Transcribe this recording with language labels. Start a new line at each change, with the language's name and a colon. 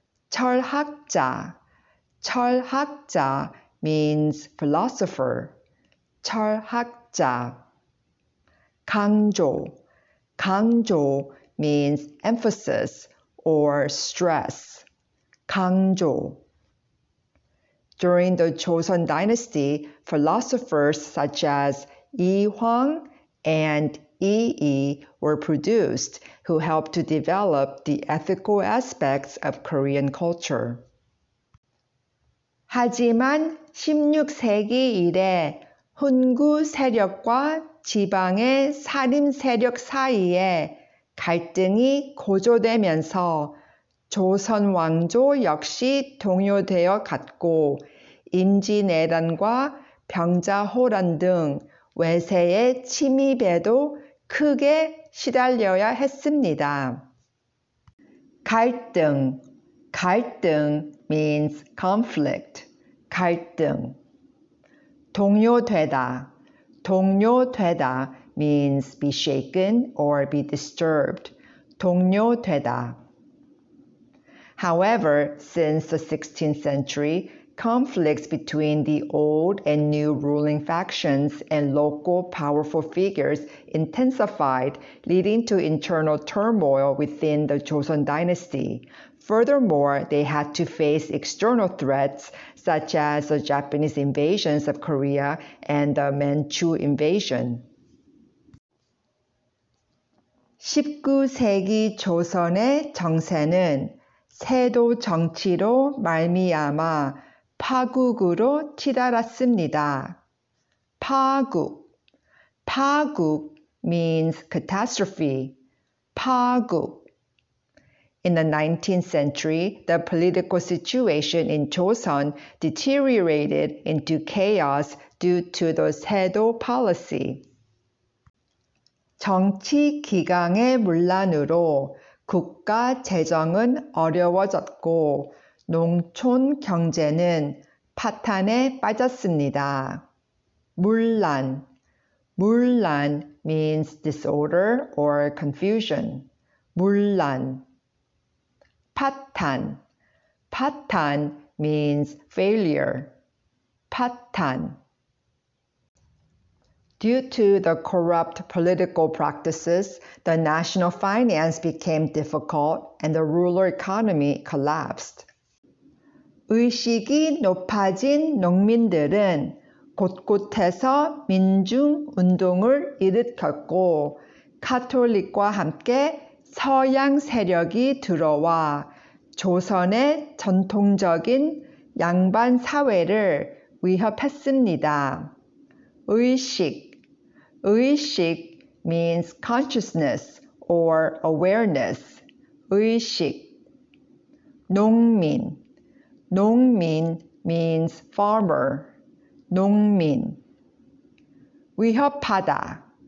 Korean: 철학자.
English: 철학자 means philosopher.
Korean: 철학자. 강조.
English: 강조 means emphasis or stress. 강조. During the Joseon dynasty, philosophers such as Yi Huang and Yi Yi were produced, who helped to develop the ethical aspects of Korean culture.
Korean: 하지만 16세기 이래 훈구 세력과 지방의 사림 세력 사이에 갈등이 고조되면서 조선 왕조 역시 동요되어 갔고 임진왜란과 병자호란 등 외세의 침입에도 크게 시달려야 했습니다. 갈등.
English: 갈등 means conflict.
Korean: 갈등. 동요되다.
English: 동요되다 means be shaken or be disturbed.
Korean: 동요되다.
English: However, since the 16th century, conflicts between the old and new ruling factions and local powerful figures intensified, leading to internal turmoil within the Joseon dynasty. Furthermore, they had to face external threats such as the Japanese invasions of Korea and the Manchu invasion.
Korean: 19세기 조선의 정세는 세도 정치로 말미암아 파국으로 치달았습니다. 파국.
English: 파국 means catastrophe.
Korean: 파국.
English: In the 19th century, the political situation in Joseon deteriorated into chaos due to the Sedo policy.
Korean: 정치 기강의 문란으로 국가 재정은 어려워졌고 농촌 경제는 파탄에 빠졌습니다. 문란.
English: 문란 means disorder or confusion.
Korean: 문란. 파탄.
English: 파탄 means failure.
Korean: 파탄.
English: Due to the corrupt political practices, the national finance became difficult and the rural economy collapsed.
Korean: 의식이 높아진 농민들은 곳곳에서 민중운동을 일으켰고 카톨릭과 함께 서양 세력이 들어와 조선의 전통적인 양반 사회를 위협했습니다. 의식.
English: 의식 means consciousness or awareness.
Korean: 의식. 농민. 농민 means farmer. 농민. 위협하다.